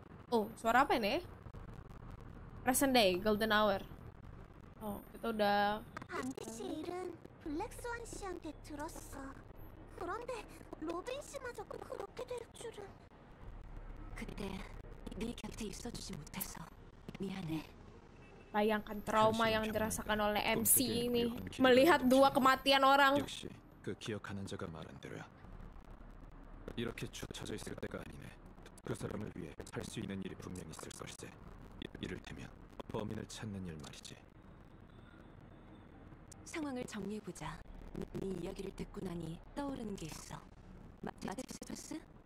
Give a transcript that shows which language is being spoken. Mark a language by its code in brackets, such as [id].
[id] Oh, suara apa ini? [en] Present day, golden hour. [id] Oh, kita udah. [ko] 반드시 일은 블랙스완 씨한테 들었어. 그런데 로빈 씨마저 그렇게 될 줄은. 그때 네 곁에 있어주지 못해서 미안해. [id] Bayangkan trauma yang dirasakan oleh MC ini melihat dua kematian orang. [ko] 역시 그 기억하는 자가 말한 대로야. 이렇게 쫓아져 있을 때가 아니네. 그 사람을 위해 할 수 있는 일이 분명 있을 것이지. 이를테면 범인을 찾는 일 말이지. 상황을 정리해보자. 네 이야기를 듣고 나니 떠오르는 게 있어. 마테스토스?